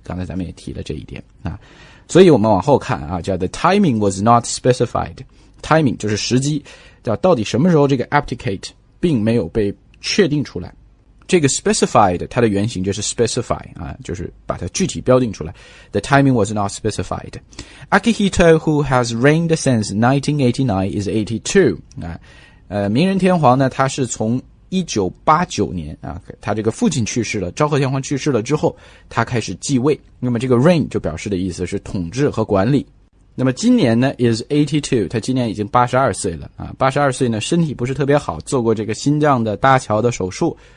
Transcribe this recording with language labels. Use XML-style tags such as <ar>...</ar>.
<zh>刚才咱们也提了这一点啊，所以我们往后看啊，叫</zh> <en>The timing was not specified.</en> <zh>Timing 就是时机，叫到底什么时候这个 abdicate 并没有被确定出来。这个 specified 它的原型就是 specify 啊，就是把它具体标定出来。</zh> <en>The timing was not specified. Akihito, who has reigned since 1989, is 82.</en> <zh>啊，明仁天皇呢，他是从1989年啊，他这个父亲去世了，昭和天皇去世了之后，他开始继位。那么这个 reign 就表示的意思是统治和管理。那么今年呢</zh> <en>is 82,</en> <zh>他今年已经82岁了啊， 82 岁呢身体不是特别好，做过这个心脏的搭桥的手术。</zh>